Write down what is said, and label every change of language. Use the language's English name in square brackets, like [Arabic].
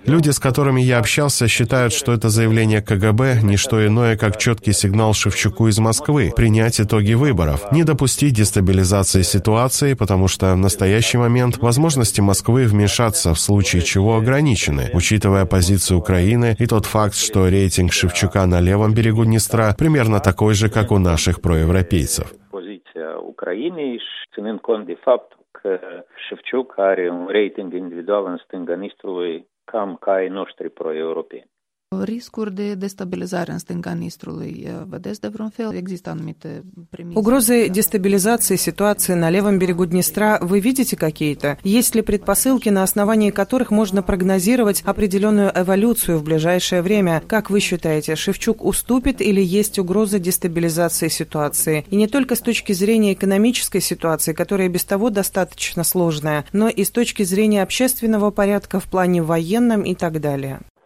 [Russian] Люди, с которыми я общался, считают, что это заявление КГБ – не что иное, как четкий сигнал Шевчуку из Москвы принять итоги выборов, не допустить дестабилизации ситуации, потому что в настоящий момент возможности Москвы вмешаться в случае чего ограничены, учитывая позицию Украины и тот факт, что рейтинг Шевчука на левом берегу Днестра примерно такой же, как у наших проевропейцев. [Ukrainian] Позиція України, [Romanian] ținând cont de faptul că Шевчук are un rating individual în stânga Nistrului cam ca ai noștri pro-europeni. Riscuri de destabilizare în stânga Nistrului, vedeți de vreun fel? Există anumite premise? [Russian] Угрозы дестабилизации ситуации на левом берегу Днестра вы видите какие-то? Есть ли предпосылки, на основании которых можно прогнозировать определенную эволюцию в ближайшее время? Как вы считаете, Шевчук уступит или есть угроза дестабилизации ситуации? И не только с точки зрения экономической ситуации, которая без того достаточно сложная, но и с точки зрения общественного порядка в плане военном и так далее.